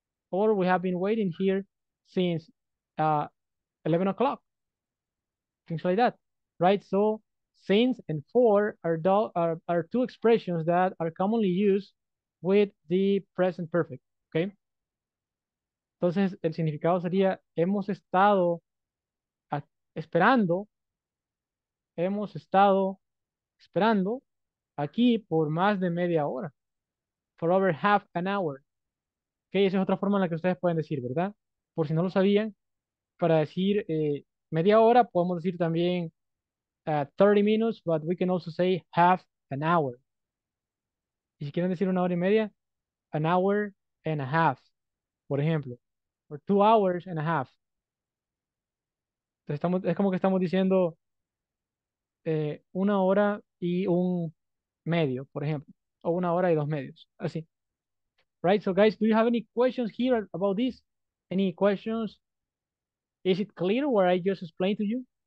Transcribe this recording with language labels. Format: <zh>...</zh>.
<en>Or we have been waiting here since 11 o'clock, things like that, right? So since and for are two expressions that are commonly used with the present perfect, okay?</en> <es>Entonces, el significado sería, hemos estado esperando, hemos estado esperando aquí por más de media hora,</es> <en>for over half an hour,</en> <es>okay? Esa es otra forma en la que ustedes pueden decir, ¿verdad? Por si no lo sabían, para decir media hora, podemos decir también</es> <en>30 minutes, but we can also say half an hour.</en> <es>Y si quieren decir una hora y media,</es> <en>an hour and a half,</en> <es>por ejemplo.</es> <en>or 2 hours and a half.</en> <es>Entonces estamos, es como que estamos diciendo una hora y un medio, por ejemplo, o una hora y dos medios, así.</es> <en>Right, so guys, do you have any questions here about this? Any questions? Is it clear what I just explained to you?</en>